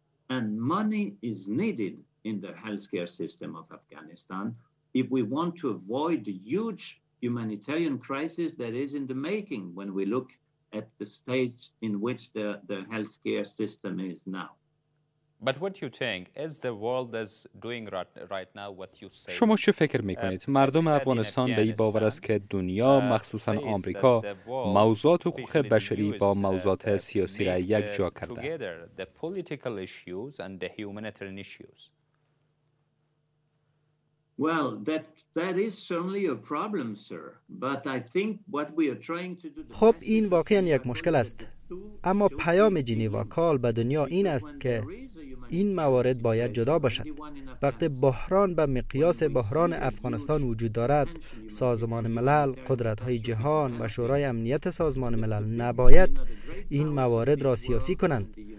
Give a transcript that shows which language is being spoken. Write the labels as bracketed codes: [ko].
[en] And money is needed in the healthcare system of Afghanistan if we want to avoid the huge humanitarian crisis that is in the making when we look at the stage in which the healthcare system is now. But what you think is the world is doing right now what you say. [fa] شما چه فکر میکنید؟ مردم افغانستان به این باور است که دنیا مخصوصا آمریکا موضوعات حقوق بشری با موضوعات سیاسی را یکجا کرده. [en] The political issues and the humanitarian issues. Well, that is certainly a problem, sir. But I think what we are trying to do. [fa] خب این واقعا یک مشکل است. اما پیام جنیوا کال به دنیا این است که این موارد باید جدا باشد. وقتی بحران به مقیاس بحران افغانستان وجود دارد، سازمان ملل، قدرت‌های جهان و شورای امنیت سازمان ملل نباید این موارد را سیاسی کنند.